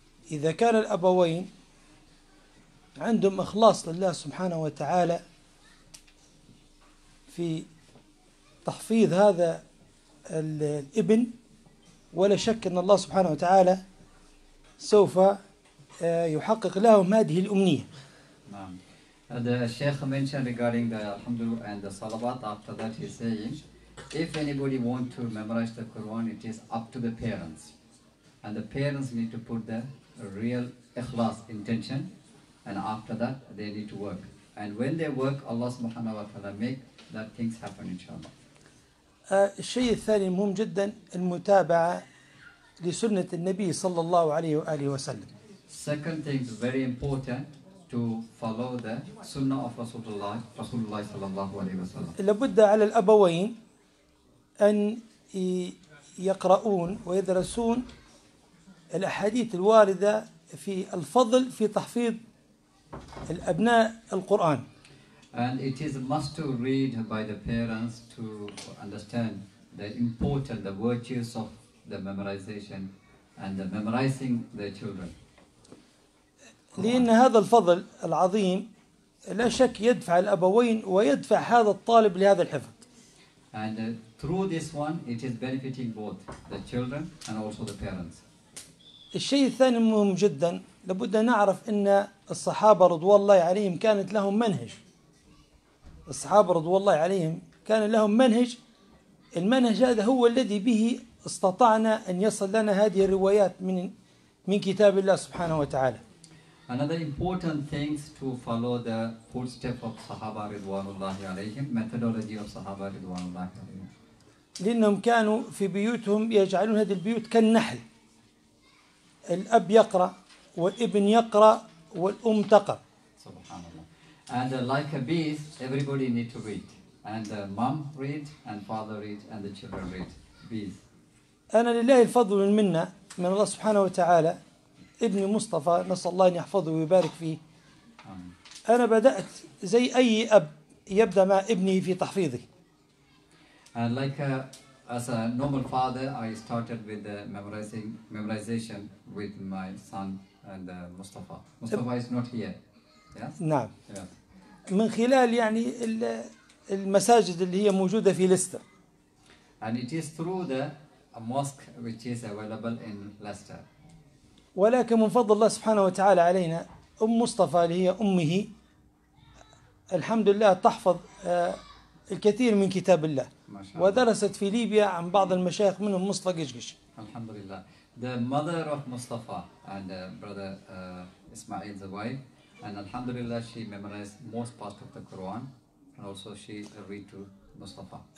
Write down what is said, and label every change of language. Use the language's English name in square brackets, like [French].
[Arabic] إذا كان الأبوين عندهم إخلاص لله سبحانه وتعالى في تحفيظ هذا الابن، ولا شك أن الله سبحانه وتعالى سوف يحقق لهم هذه الأمنية. [English] The Sheikh mentioned regarding the Alhamdulillah and the Salawat. After that, he's saying, if anybody wants to memorize the Quran, it is up to the parents. And the parents need to put the real ikhlas intention. And after that, they need to work. And when they work, Allah subhanahu wa ta'ala make that things happen, inshallah. [Arabic] الشيء الثاني مهم جدا المتابعة لسنة النبي صلى الله عليه وآله وسلم. [English] Second thing is very important. To follow the sunnah of Rasulullah sallallahu alayhi wa sallam. [Arabic] لابد على الأبوين أن يقرؤون ويدرسون الأحاديث الواردة في الفضل في تحفيظ الأبناء القرآن. [English] And it is a must to read by the parents to understand the importance, the virtues of the memorization and the memorizing the children. [Arabic] لأن هذا الفضل العظيم لا شك يدفع الأبوين ويدفع هذا الطالب لهذا الحفظ. [English] And through this one, it is benefiting both the children and also the parents. [Arabic] الشيء الثاني مهم جدا، لابد أن نعرف أن الصحابة رضوان الله عليهم كانت لهم منهج. الصحابة رضوان الله عليهم كان لهم منهج. المنهج هذا هو الذي به استطعنا أن يصل لنا هذه الروايات من كتاب الله سبحانه وتعالى. [English] Another important thing to follow the footsteps of Sahaba Ridwanullahi alayhim, methodology of Sahaba Ridwanullahi alayhim. [Arabic] لأنهم كانوا في بيوتهم يجعلون هذه البيوت كالنحل. الأب يقرأ والابن يقرأ والأم تقرأ. سبحان الله. [English] And like a bees, everybody need to read. And the mom read, and father read, and the children read. Bees. [Arabic] أنا لله الفضل منا من الله سبحانه وتعالى. ابني مصطفى نسأل الله أن يحفظه ويبارك فيه. أنا بدأت زي أي أب يبدأ مع ابني في تحفيظه. [English] And like as a normal father, I started with the memorization with my son and مصطفى. مصطفى is not here. Yes. [Arabic] نعم. من خلال يعني المساجد اللي هي موجودة في ليستر. [English] And it is through the mosque which is available in Leicester. [Arabic] ولكن من فضل الله سبحانه وتعالى علينا أم مصطفى اللي هي أمه الحمد لله تحفظ الكثير من كتاب الله ودرست في ليبيا عن بعض المشايخ منهم مصطفى قشقش. الحمد لله. [English] The mother of مصطفى and brother إسماعيل زبايد and الحمد لله she memorized most part of the Quran and also she read to مصطفى.